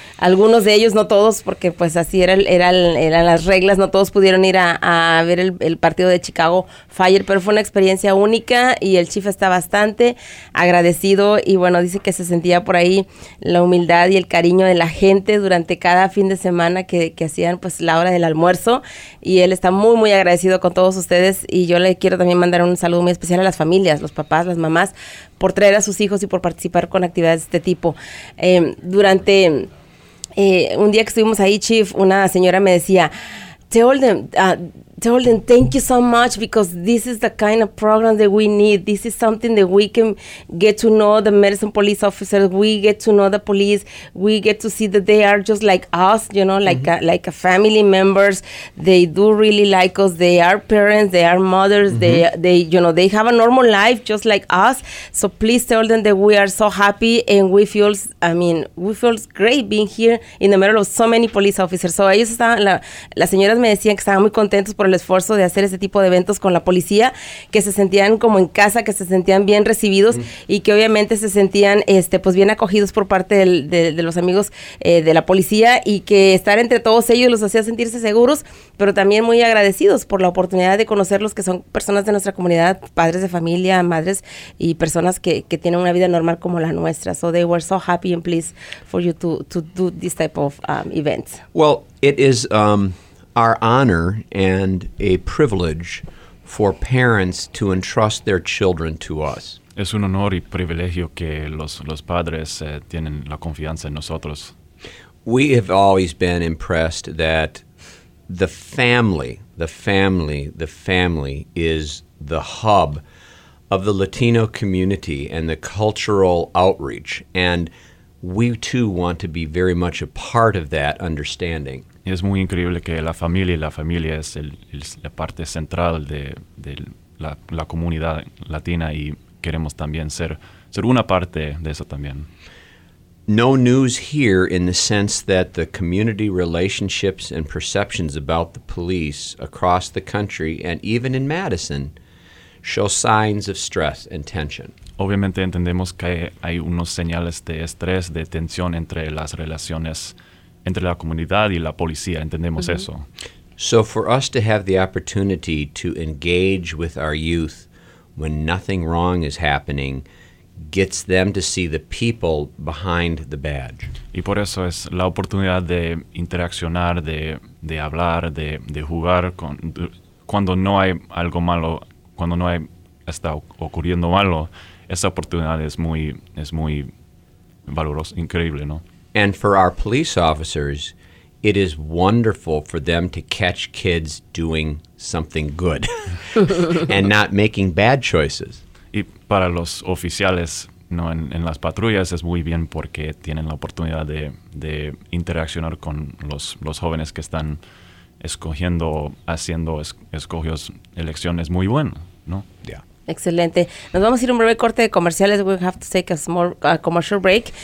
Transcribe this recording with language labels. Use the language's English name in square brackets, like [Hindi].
[Spanish] Algunos de ellos, no todos, porque pues así eran las reglas, no todos pudieron ir a ver el partido de Chicago Fire, pero fue una experiencia única, y el chief está bastante agradecido, y bueno, dice que se sentía por ahí la humildad y el cariño de la gente durante cada fin de semana que hacían pues la hora del almuerzo, y él está muy, muy agradecido con todos ustedes, y yo le quiero también mandar un saludo muy especial a las familias, los papás, las mamás, por traer a sus hijos y por participar con actividades de este tipo. Durante un día que estuvimos ahí, Chief, una señora me decía, [English] tell them, told them, thank you so much, because this is the kind of program that we need. This is something that we can get to know the medicine police officers. We get to know the police. We get to see that they are just like us, you know, like mm-hmm. like a family members. They do really like us. They are parents. They are mothers. Mm-hmm. They you know, they have a normal life just like us. So please tell them that we are so happy, and we feel great being here in the middle of so many police officers. So [Spanish] ellos estaban, las señoras me decían que estaban muy contentos por el esfuerzo de hacer ese tipo de eventos con la policía, que se sentían como en casa, que se sentían bien recibidos y que obviamente se sentían pues bien acogidos por parte de los amigos de la policía, y que estar entre todos ellos los hacía sentirse seguros, pero también muy agradecidos por la oportunidad de conocerlos, que son personas de nuestra comunidad, padres de familia, madres y personas que tienen una vida normal como la nuestra. [English] So they were so happy and pleased for you to do this type of events. Well, it is our honor and a privilege for parents to entrust their children to us. [Spanish] Es un honor y privilegio que los padres tienen la confianza en nosotros. [English] We have always been impressed that the family is the hub of the Latino community and the cultural outreach, and we too want to be very much a part of that understanding. [Spanish] Es muy increíble que la familia es la parte central de la comunidad latina, y queremos también ser una parte de eso también. [English] No news here in the sense that the community relationships and perceptions about the police across the country and even in Madison show signs of stress and tension. [Spanish] Obviamente entendemos que hay unos señales de estrés, de tensión entre las relaciones entre la comunidad y la policía. Entendemos mm-hmm. eso. [English] So for us to have the opportunity to engage with our youth when nothing wrong is happening gets them to see the people behind the badge. [Spanish] Y por eso es la oportunidad de interaccionar, de hablar, de jugar con cuando no hay algo malo, cuando no está ocurriendo malo. Esa oportunidad es muy valorosa, increíble, ¿no? [English] And for our police officers, it is wonderful for them to catch kids doing something good and not making bad choices. [Spanish] Y para los oficiales, ¿no? En las patrullas es muy bien porque tienen la oportunidad de interaccionar con los jóvenes que están escogiendo, haciendo escogidos elecciones muy buenas, ¿no? [English] Yeah. [Spanish] Excelente. Nos vamos a ir a un breve corte de comerciales. [English] We have to take a small commercial break.